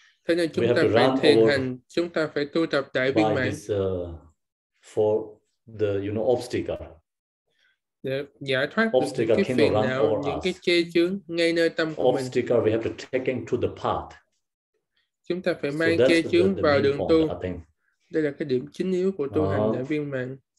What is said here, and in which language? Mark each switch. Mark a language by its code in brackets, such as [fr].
[vi] Thế nên chúng ta phải thiền hành, chúng ta phải tu tập đại viên mãn. [en] For the, you know, obstacle. [vi] Để giải thoát obstacle những cái phiền não, những cái chê chướng ngay nơi tâm của [en] obstacle [vi] mình. [en] Obstacle we have to take into the path. [vi] Chúng ta phải mang chê chướng vào đường tu. Đây là cái điểm chính yếu của tu hành đại viên mãn.